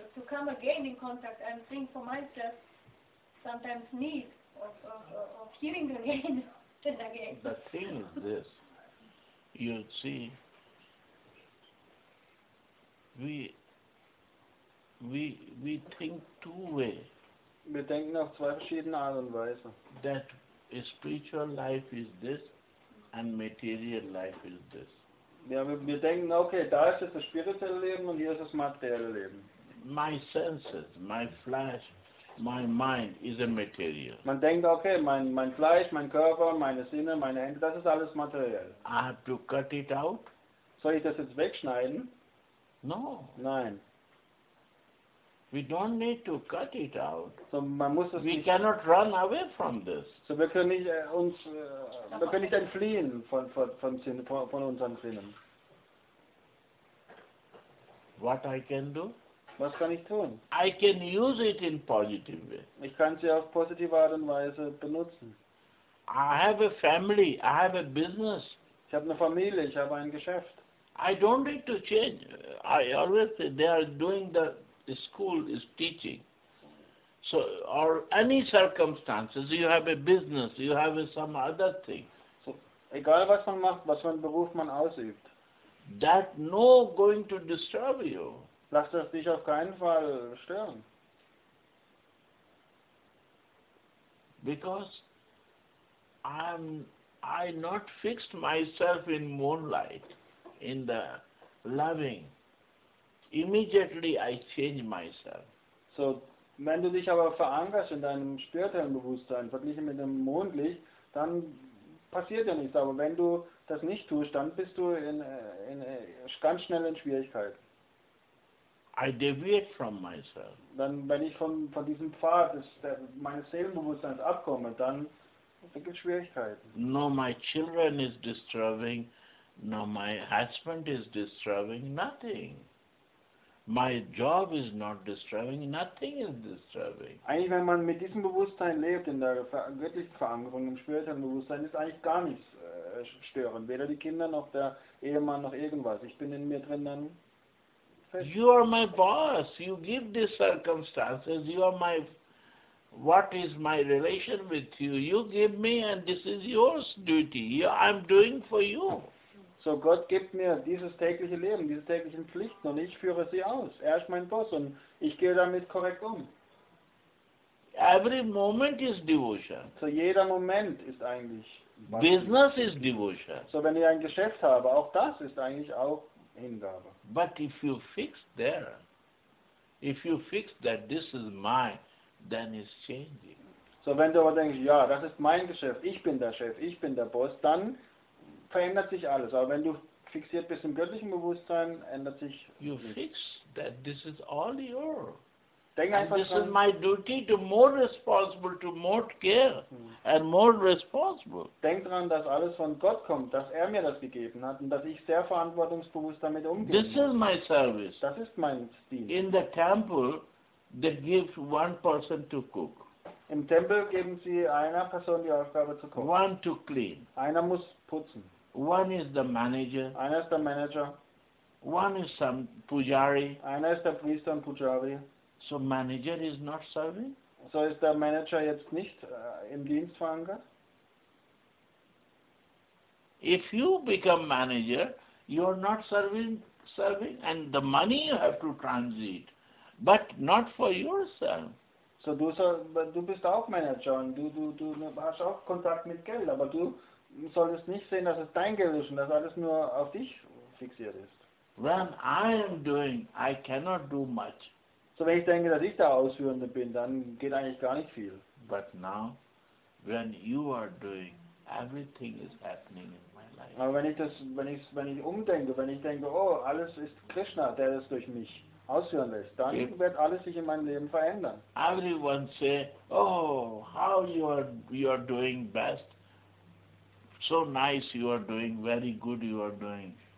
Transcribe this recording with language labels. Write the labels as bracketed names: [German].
[English] So to come again in contact, I'm seeing for myself sometimes need of hearing again and again. The thing is this, you see, We think two ways. [German] Wir denken auf zwei verschiedene Art und Weise. [English] That a spiritual life is this and material life is this. [German] Ja, wir denken, okay, da ist jetzt das spirituelle Leben und hier ist das materielle Leben. [English] My senses, my flesh, my mind is a material. [German] Man denkt, okay, mein Fleisch, mein Körper, meine Sinne, meine Hände, das ist alles materiell. [English] I have to cut it out. [German] Soll ich das jetzt wegschneiden? [English] No. [German] Nein. [English] We don't need to cut it out. [German] So man muss es. [English] We cannot run away from this. [German] So wir können nicht wir können nicht entfliehen von unseren Sinnen. [English] What I can do? [German] Was kann ich tun? [English] I can use it in positive way. [German] Ich kann sie auf positive Art und Weise benutzen. [English] I have a family. I have a business. [German] Ich habe eine Familie. Ich habe ein Geschäft. [English] I don't need to change. I always say they are doing the school is teaching. So, or any circumstances, you have a business, you have some other thing. [German] So, egal was man macht, was für einen Beruf man ausübt. [English] that no going to disturb you. [German] Lass das dich auf keinen Fall stören. [English] Because I not fixed myself in moonlight, in the loving. Immediately I change myself. [German] So, wenn du dich aber verankerst in deinem spirituellen Bewusstsein, verglichen mit dem Mondlicht, dann passiert ja nichts. Aber wenn du das nicht tust, dann bist du in ganz schnell in Schwierigkeiten. [English] I deviate from myself. [German] Dann, wenn ich von diesem Pfad meines Seelenbewusstseins abkomme, dann gibt es Schwierigkeiten. [English] No, my children is disturbing. No, my husband is disturbing. Nothing. My job is not disturbing. Nothing is disturbing. [German] Eigentlich, wenn man mit diesem Bewusstsein lebt, in der göttlichen Verankerung, im spirituellen Bewusstsein, ist eigentlich gar nichts störend. Weder die Kinder noch der Ehemann noch irgendwas. Ich bin in mir drin dann. [English] You are my boss. You give the circumstances. You are my... What is my relation with you? You give me and this is yours duty. I'm doing for you. [German] So Gott gibt mir dieses tägliche Leben, diese täglichen Pflichten und ich führe sie aus. Ist mein Boss und ich gehe damit korrekt um. [English] Every moment is devotion. [German] So jeder Moment ist eigentlich... [English] Business is devotion. [German] So wenn ich ein Geschäft habe, auch das ist eigentlich auch Hingabe. [English] But if you fix there, if you fix that this is mine, then it's changing. [German] So wenn du aber denkst, ja, das ist mein Geschäft, ich bin der Chef, ich bin der Boss, dann verändert sich alles. Aber wenn du fixiert bist im göttlichen Bewusstsein, ändert sich [English] you [German] nichts. [English] Fix that this is all your. [German] Denk [English] and [German] einfach [English] this [German] dran, [English] is my duty to more responsible, to more care and more responsible. [German] Denk dran, dass alles von Gott kommt, dass er mir das gegeben hat und dass ich sehr verantwortungsbewusst damit umgehe. [English] This is my service. [German] Das ist mein Dienst. [English] In the temple, they give one person to cook. [German] Im Tempel geben sie einer Person die Aufgabe zu kochen. [English] One to clean. [German] Einer muss putzen. [English] One is the manager. [German] Einer ist der Manager. [English] One is some pujari. [German] Einer ist der Priester und Pujari. [English] So manager is not serving? [German] So ist der Manager jetzt nicht im Dienst verankert? [English] If you become manager, you are not serving and the money you have to transit, but not for yourself. [German] So du bist auch Manager und du hast auch Kontakt mit Geld, aber du solltest nicht sehen, dass es dein Geld ist und dass alles nur auf dich fixiert ist. [English] When I am doing, I cannot do much. [German] So wenn ich denke, dass ich der Ausführende bin, dann geht eigentlich gar nicht viel. [English] But now, when you are doing, everything is happening in my life. [German] Aber wenn ich umdenke, wenn ich denke, oh, alles ist Krishna, der das durch mich ausführen lässt, dann if wird alles sich in meinem Leben verändern. [English] Everyone say, oh, how you are doing best. So nice you are doing, very good you are doing.